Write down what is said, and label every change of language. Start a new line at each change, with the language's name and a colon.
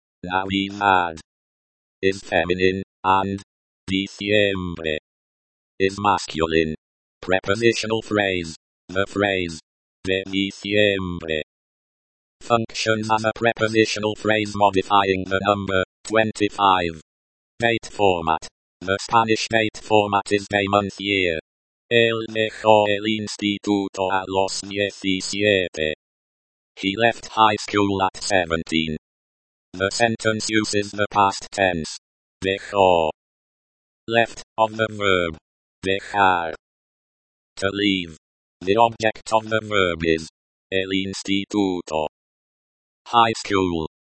English: Navidad is feminine, and diciembre is masculine. Prepositional phrase, the phrase
Spanish: de diciembre
English: functions as a prepositional phrase modifying the number, 25. Date format. The Spanish date format is day, month, year.
Spanish: Él dejó el instituto a los 17.
English: He left high school at 17. The sentence uses the past tense. Dejó. Left, of the verb. Dejar. To leave. The object of the verb is.
Spanish: El instituto.
English: High school.